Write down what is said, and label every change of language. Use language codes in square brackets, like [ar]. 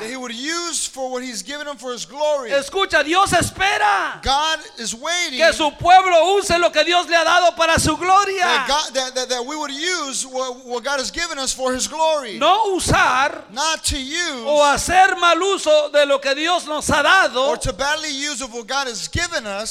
[en] That he would use for what he's given him for his glory. [es] Escucha, Dios espera. [en] God is waiting. [es] Que su pueblo use lo que Dios le ha dado para su gloria. [en] That we would use what God has given us for his glory. [es] No usar. [en] Not to use. [es] O hacer mal uso de lo que Dios nos ha dado. [en] Or to badly use of what God has given us.